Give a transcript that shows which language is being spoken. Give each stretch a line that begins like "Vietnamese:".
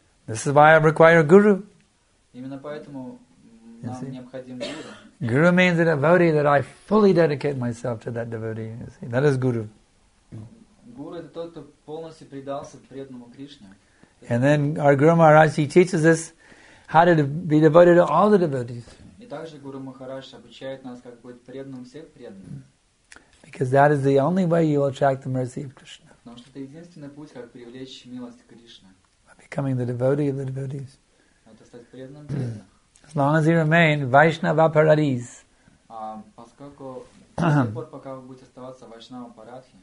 English: This is why I require a guru. Guru means a devotee that I fully dedicate myself to that devotee. You see? That is guru. Guru is the one who completely
Russian: предался преданному Кришне.
English: And then our Guru Maharaj, he teaches us how to be devoted to all the devotees.
Russian: И также Гуру Махарадж обучает нас, как быть преданным всех преданных.
English: Because that is the only way you will attract the mercy of Krishna.
Russian: Потому что это единственный путь, как привлечь милость Кришны.
English: By becoming the devotee of the devotees.
Russian: Это стать преданным преданных.
English: As long as you remain Vaishnava Paradis.
Russian: Поскольку пока вы будете оставаться Вайшнава Парадхи.